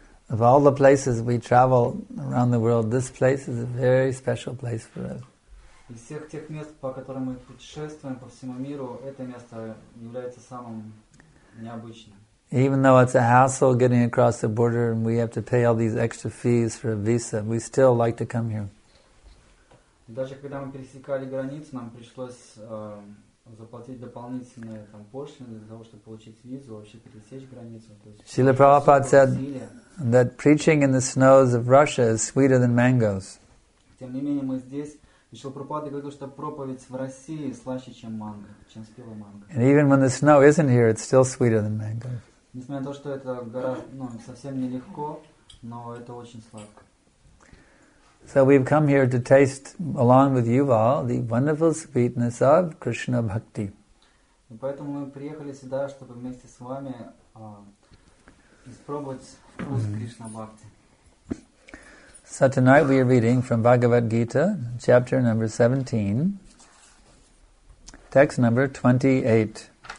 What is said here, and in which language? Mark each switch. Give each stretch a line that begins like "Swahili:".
English: Of all the places we travel around the world, this place is a very special place for us.
Russian: Из всех тех мест, по которым мы путешествуем по всему миру, это место является самым необычным.
English: Even though it's a hassle getting across the border and we have to pay all these extra fees for a visa, we still like to come here.
Russian: Даже когда мы пересекали границу, нам пришлось заплатить дополнительные там пошлины для того, чтобы получить визу, вообще пересечь границу.
English: Srila Prabhupada said that preaching in the snows of Russia is sweeter than mangoes.
Russian: Тем не менее, мы здесь. Srila Prabhupada говорил, что проповедь в России слаще, чем манго, чем спелый манго.
English: And even when the snow isn't here, it's still sweeter than mangoes.
Russian: Несмотря на то, что это гора, ну, совсем нелегко, но это очень сладко.
English: So we've come here to taste, along with you all, the wonderful sweetness of Krishna Bhakti.
Russian: Поэтому мы приехали сюда, чтобы вместе с вами испробовать вкус Кришна Бхакти.
English: So tonight we are reading from Bhagavad Gita, chapter number 17, text number 28.